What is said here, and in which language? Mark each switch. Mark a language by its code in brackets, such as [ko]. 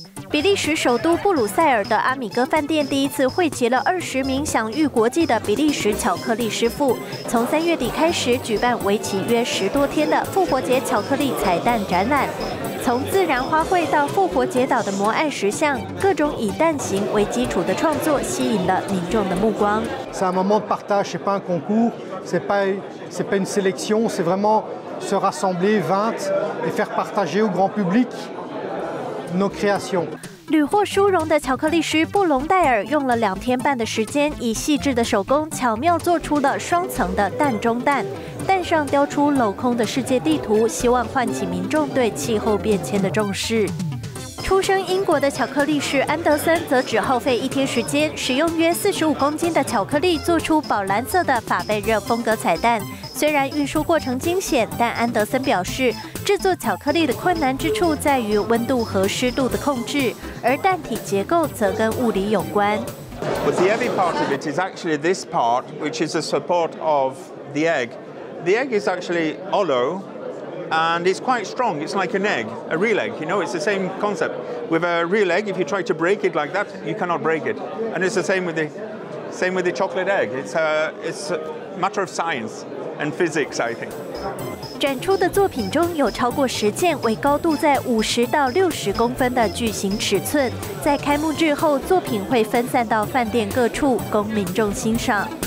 [zh] 比利时首都布鲁塞尔的阿米哥饭店第一次汇集了20名享誉国际的比利时巧克力师傅，从3月底开始举办为期约10多天的复活节巧克力彩蛋展览。从自然花卉到复活节岛的摩艾石像，各种以蛋形为基础的创作吸引了民众的目光。 [fr] C'est un moment de partage, c'est pas un concours, c'est pas une sélection, c'est vraiment se rassembler 20 et faire partager au grand public nos créations. [zh] 屡获殊荣的巧克力师布隆戴尔用了2天半的时间，以细致的手工巧妙做出了双层的蛋中蛋，蛋上雕出镂空的世界地图，希望唤起民众对气候变迁的重视。出生英国的巧克力师安德森则只耗费1天时间，使用约45公斤的巧克力做出宝蓝色的法贝热风格彩蛋。虽然运输过程惊险，但安德森表示，制作巧克力的困难之处在于温度和湿度的控制，而蛋体结构则跟物理有关。 [en] But the heavy part of it is actually this part, which is the support of the egg. The egg is actually hollow, and it's quite strong. It's like an egg, a real egg. You know, it's the same concept. With a real egg, if you try to break it like that, you cannot break it. And it's the same with the chocolate egg. It's a matter of science. And physics, I think. [zh] 展出的作品中有超过10件为高度在50到60公分的巨型尺寸，在开幕日后，作品会分散到饭店各处供民众欣赏。